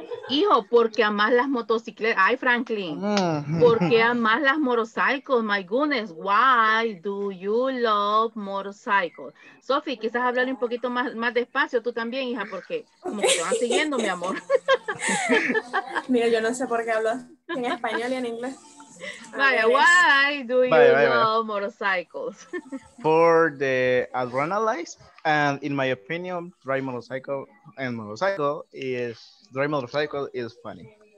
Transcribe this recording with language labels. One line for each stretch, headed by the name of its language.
Spanish: Hijo, porque amas las motocicletas. Ay, Franklin. Porque amas las motorcycles.
English: My goodness. Why do you love motorcycles?
Spanish: Sophie, quizás hablar un poquito más despacio. Tú también, hija, porque como que te van siguiendo, mi amor. Mira, yo no sé por qué hablo en español y en inglés.
English: Vaya, why do you love motorcycles? For the adrenaline. And in my opinion, driving motorcycle is funny.